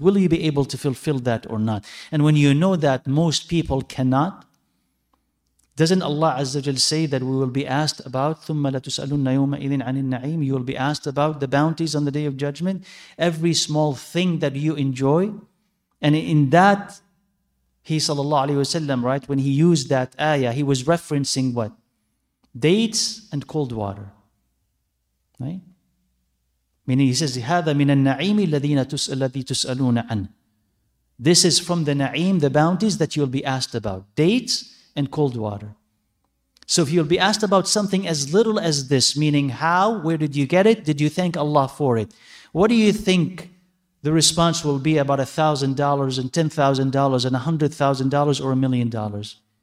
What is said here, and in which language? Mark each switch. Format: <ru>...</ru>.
<en>Will you be able to fulfill that or not? And when you know that most people cannot, doesn't Allah Azza wa Jal say that we will be asked about</en> <ar>ثُمَّ لَتُسْأَلُنَّ يَوْمَئِذٍ عَنِ النَّعِيمِ?</ar> <en>You will be asked about the bounties on the Day of Judgment. Every small thing that you enjoy, and in that he sallallahu alayhi wasallam, right, when he used that ayah, he was referencing what? Dates and cold water. Right? Meaning he says,</en> <ar>هَذَا مِنَ النَّعِيمِ الَّذِي تُسْأَلُونَ عَنْهِ.</ar> <en>This is from the na'im, the bounties that you'll be asked about. Dates and cold water. So if you'll be asked about something as little as this, meaning how, where did you get it? Did you thank Allah for it? What do you think the response will be about $1,000 and $10,000 and $100,000 or $1,000,000?</en>